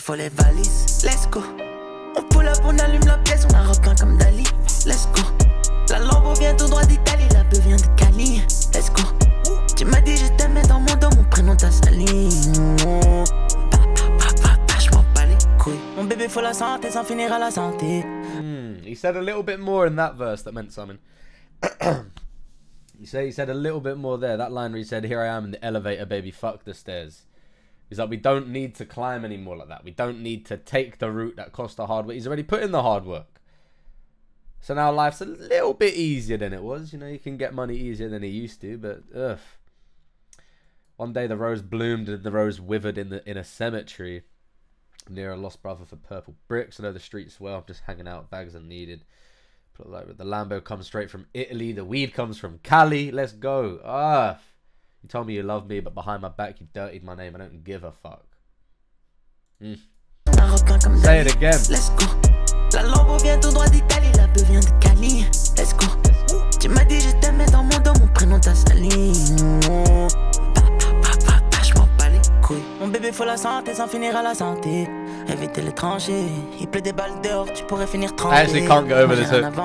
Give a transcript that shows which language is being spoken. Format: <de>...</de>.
<fr>Faut les valises.</fr> <en>Let's go.</en> <fr>On pull up, on allume la pièce. On a repeint comme Dali.</fr> <en>Let's go.</en> <fr>La Lambo vient tout droit d'Italie. La peau vient de Cali. Let's go. Tu dans ta saline. Mon bébé faut la santé sans finir à la santé.</fr> <en>He said a little bit more in that verse that meant something. he said a little bit more there. That line where he said, here I am in the elevator, baby, fuck the stairs. He's like, we don't need to climb anymore like that. We don't need to take the route that cost the hard work. He's already put in the hard work. So now life's a little bit easier than it was. You know, you can get money easier than he used to, but ugh. One day the rose bloomed and the rose withered in a cemetery near a lost brother for purple bricks. I know the streets well. I'm just hanging out. Bags are needed. The Lambo comes straight from Italy. The weed comes from Cali. Let's go. Ugh. You told me you love me, but behind my back you dirtied my name. I don't give a fuck. Say it again. Let's go.</en> <fr>La Lambo vient tout droit d'Italie, la peau vient de Cali.</fr> <en>Let's go.</en> <fr>Tu m'as dit je t'aime dans mon dos, mon prénom t'a sali. Je m'en bats les couilles. Mon bébé faut la santé sans finir à la santé. Éviter les tranchées, il pleut des balles dehors, tu pourrais finir trempé.</fr> <en>I actually can't go over this hook.</en>